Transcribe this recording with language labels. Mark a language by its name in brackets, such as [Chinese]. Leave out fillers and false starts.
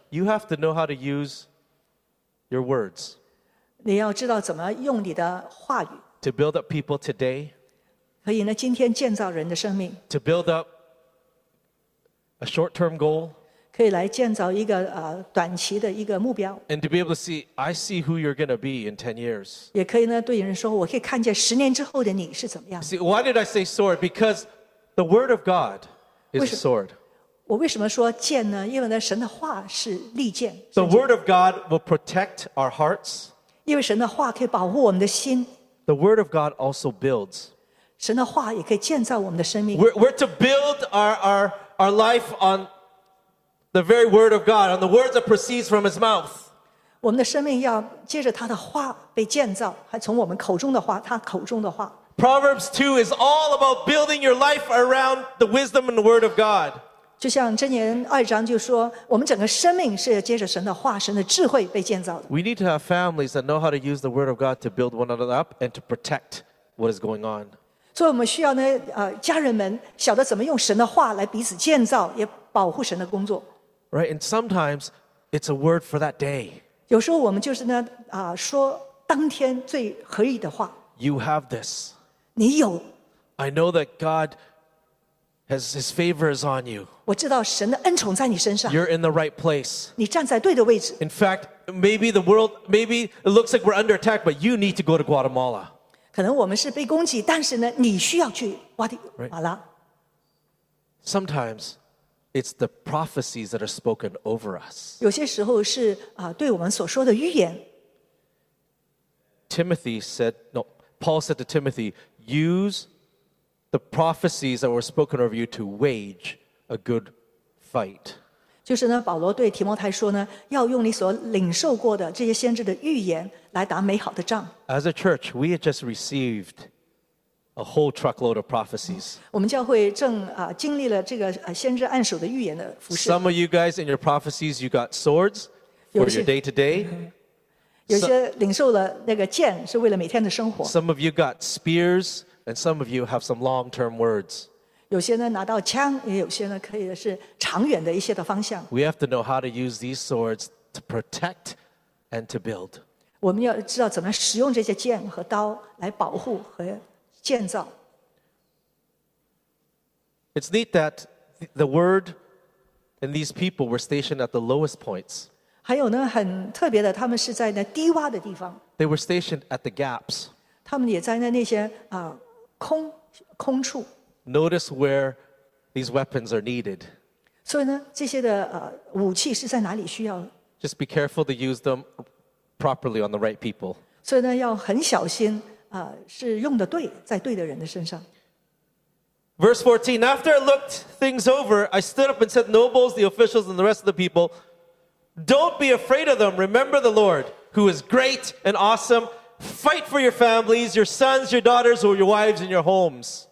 [English] You have to know how to use your words. [Chinese] 你要知道怎么用你的话语。 [English] To build up people today. [Chinese] 可以呢，今天建造人的生命。 [English] To build up a short-term goal. [Chinese] 可以来建造一个短期的一个目标。 [English] And to be able to see, I see who you're going to be in 10 years. [Chinese] 也可以呢，对人说，我可以看见十年之后的你是怎么样。 [English] See, why did I say sword? Because the word of God is a sword. [Chinese] 我为什么说剑呢？因为呢，神的话是利剑。 [English] The word of God will protect our hearts. [Chinese] 因为神的话可以保护我们的心。 [English] The word of God also builds. [Chinese] 神的话也可以建造我们的生命。 [English] We're to build our life on the very word of God, on the words that proceeds from His mouth. [Chinese] 我们的生命要借着他的话被建造，还从我们口中的话，他口中的话。 [English] Proverbs 2 is all about building your life around the wisdom and the word of God. [Chinese] 就像箴言二章就说，我们整个生命是借着神的话、神的智慧被建造的。 [English] We need to have families that know how to use the word of God to build one another up and to protect what is going on. [Chinese] 所以我们需要呢，家人们晓得怎么用神的话来彼此建造，也保护神的工作。 [English] Right, and sometimes it's a word for that day. [Chinese] 有时候我们就是呢，说当天最合宜的话。 [English] You have this. [Chinese] 你有。 [English] I know that God has His favor is on you. [Chinese] 我知道神的恩宠在你身上。 [English] You're in the right place. [Chinese] 你站在对的位置。 [English] In fact, maybe the world, maybe it looks like we're under attack, but you need to go to Guatemala. [Chinese] 可能我们是被攻击，但是呢，你需要去瓜地马拉。 [English] Sometimes it's the prophecies that are spoken over us. [Chinese] 有些时候是对我们所说的预言。 [English] Timothy said, no, Paul said to Timothy, use the prophecies that were spoken over you to wage a good fight. [Chinese] 就是呢，保罗对提摩太说呢，要用你所领受过的这些先知的预言。 [English] As a church, we had just received a whole truckload of prophecies. [Chinese] 我们教会正经历了这个先知按手的预言的服侍。 [English] Some of you guys in your prophecies, you got swords for your day to day. [Chinese] 有些领受了那个剑是为了每天的生活。 [English] Some of you got spears, and some of you have some long-term words. [Chinese] 有些呢拿到枪，也有些呢可以是长远的一些的方向。 [English] We have to know how to use these swords to protect and to build. [Chinese] 我们要知道怎么使用这些剑和刀来保护和建造。 [English] It's neat that the word and these people were stationed at the lowest points. [Chinese] 还有呢，很特别的，他们是在那低洼的地方。 [English] They were stationed at the gaps. [Chinese] 他们也在那些空处。 [English] Notice where these weapons are needed. [Chinese] 所以呢，这些的武器是在哪里需要 [English] ？Just be careful to use them. Properly on the right people. [Chinese] 所以呢，要很小心啊，是用的对，在对的人的身上。 [English] Verse 14. After I looked things over, I stood up and said, "Nobles, the officials, and the rest of the people, Don't be afraid of them. Remember the Lord, who is great and awesome. Fight for your families, your sons, your daughters, or your wives and your homes.